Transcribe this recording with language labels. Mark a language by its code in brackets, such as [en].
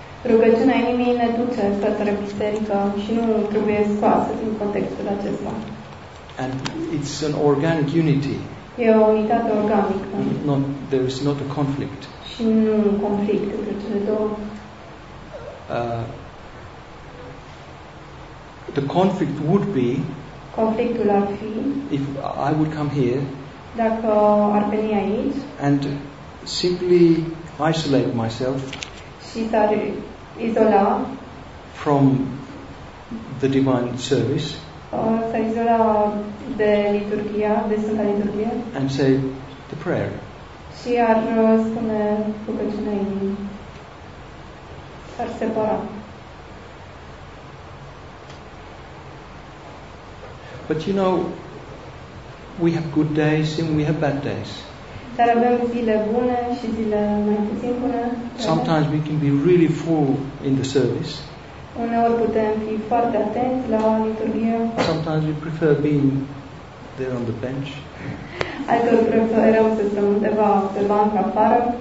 [ro] Rugăciunea inimii ne duce către biserică și nu trebuie scoasă din contextul acesta. [en] And it's an organic unity. [ro] E o unitate organică. [en] Not, there is not a conflict. [ro] Și nu un conflict între cele două. [en] The conflict would be. [ro] Conflictul ar fi, [en] if I would come here, [ro] dacă ar veni aici, [en] and simply isolate myself [ro] și s-ar izola [en] from the divine service, [ro] s-ar izola de liturghia, de Sfânta Liturghie, [en] and say the prayer. [ro] Și ar spune rugăciunea inimii. S-ar separa. [en] But you know, we have good days and we have bad days. [ro] Dar avem zile bune și zile mai puțin bune. [en] Sometimes we can be really full in the service. [ro] Uneori putem fi foarte atenți la liturghie. [en] Sometimes we prefer being there on the bench. [ro] Alteori preferăm să stăm undeva pe bancă afară.